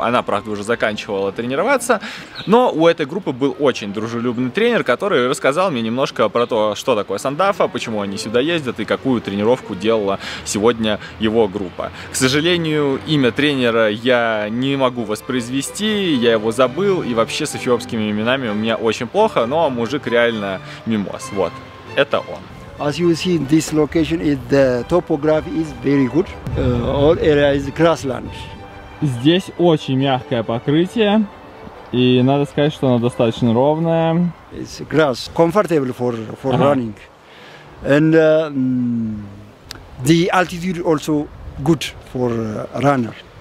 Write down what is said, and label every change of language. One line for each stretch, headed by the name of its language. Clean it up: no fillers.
Russian: Она, правда, уже заканчивала тренироваться, но у этой группы был очень дружелюбный тренер, который рассказал мне немножко про то, что такое Сандафа, почему они сюда ездят и какую тренировку делала сегодня его группа. К сожалению, имя тренера я не могу воспроизвести, я его забыл, и вообще с эфиопскими именами у меня очень плохо, но мужик реально мимоз. Вот, это он.
English: As you see, this location is the topography is very good. All area is grassland.
Russian: Здесь очень мягкое покрытие, и надо сказать, что оно достаточно ровное.
English: It's grass, comfortable for running, and the altitude also good for runner.